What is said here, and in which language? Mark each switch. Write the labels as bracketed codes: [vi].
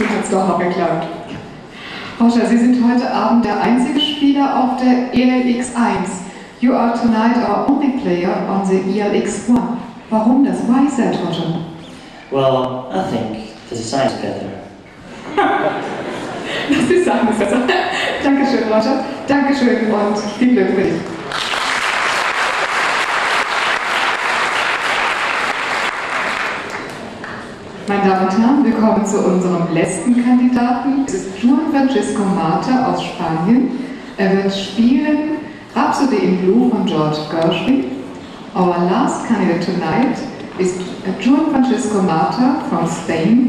[de] doch auch geklappt. Roger, Sie sind heute Abend der einzige Spieler auf der ELX1. [en] You are tonight our only player on the ELX1. [de] Warum das? [en] Why is that, Roger? Well, I think the design is better. [de] Das Design ist besser. Dankeschön, Roger. Dankeschön und viel Glück für dich. Meine Damen und Herren, willkommen zu unserem letzten Kandidaten. Es ist Juan Francisco Mata aus Spanien. Er wird spielen Rhapsody in Blue von George Gershwin. [en] Our last candidate tonight is Juan Francisco Mata from Spain.